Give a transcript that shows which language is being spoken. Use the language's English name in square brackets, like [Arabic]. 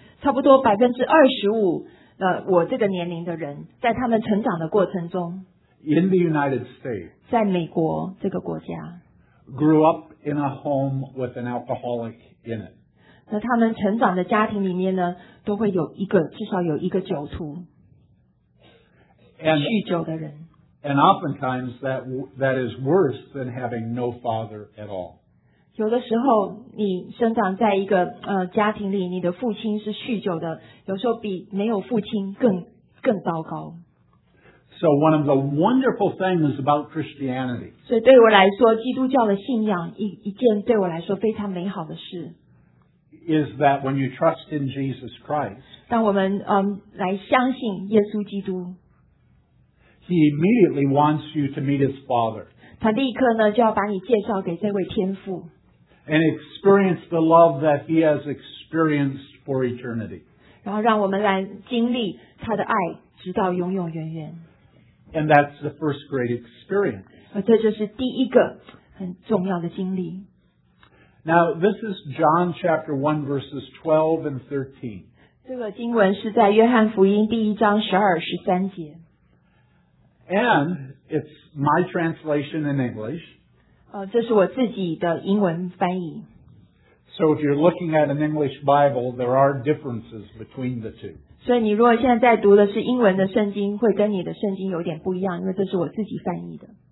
[Chinese] 差不多25%我这个年龄的人在他们成长的过程中 [English] in the United States, [Chinese] 在美国这个国家 [English] grew upin a home with an alcoholic in it. [Chinese] 那他们成长的家庭里面呢都会有一个至少有一个酒徒酗酒的人。 [English] And oftentimes that is worse than having no father at all. [Chinese] 有的时候你生长在一个家庭里你的父亲是酗酒的有时候比没有父亲更糟糕。 [English] So one of the wonderful things about Christianity. [Chinese] 所以对我来说，基督教的信仰一件对我来说非常美好的事。 [English] Is that when you trust in Jesus Christ? [Chinese] 当我们来相信耶稣基督。 [English] He immediately wants you to meet his father. [Chinese] 他立刻呢就要把你介绍给这位天父。 [English] And experience the love that he has experienced for eternity. [Chinese] 然后让我们来经历他的爱，直到永永远远。 [English] And that's the first great experience. [Chinese] 这就是第一个很重要的经历。 [English] Now, this is John chapter 1, verses 12 and 13. [Chinese] 这个经文是在约翰福音第一章12、13节。 [English] And it's my translation in English. [Chinese] 这是我自己的英文翻译。 [English] So if you're looking at an English Bible, there are differences between the two. [Chinese] 所以你如果现在在读的是英文的圣经会跟你的圣经有点不一样因为这是我自己翻译的。